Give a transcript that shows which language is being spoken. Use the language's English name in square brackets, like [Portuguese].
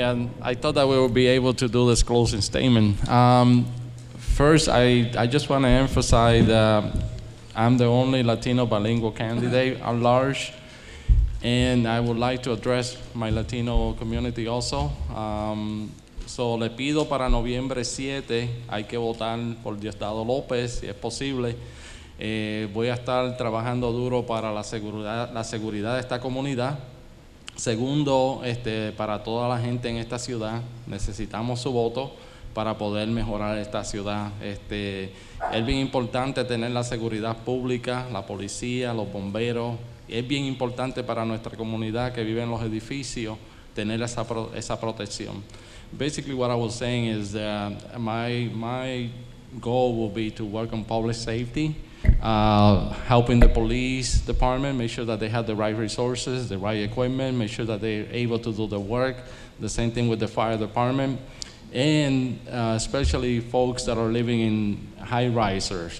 [English] And I thought that we would be able to do this closing statement. First, I just want to emphasize that I'm the only Latino bilingual candidate at large. And I would like to address my Latino community also. [Spanish] So le pido para noviembre 7, hay que votar por Diosdado López, si es posible. Voy a estar trabajando duro para la seguridad de esta comunidad. Segundo, para toda la gente en esta ciudad, necesitamos su voto para poder mejorar esta ciudad. Es bien importante tener la seguridad pública, la policía, los bomberos. Es bien importante para nuestra comunidad que vive en los edificios tener esa protección. [English] Basically, what I was saying is that my goal will be to work on public safety, helping the police department make sure that they have the right resources, the right equipment, make sure that they're able to do the work. The same thing with the fire department, and especially folks that are living in high risers.